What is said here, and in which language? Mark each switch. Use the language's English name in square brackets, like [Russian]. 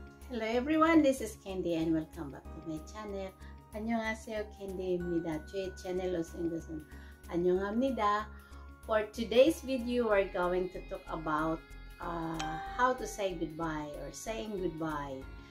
[English] Hello everyone, this is Candy and welcome back to my channel. [Korean] 안녕하세요, Candy입니다. 제 채널로 오신 것은 안녕합니다. [English] For today's video, we're going to talk about how to say goodbye or saying goodbye.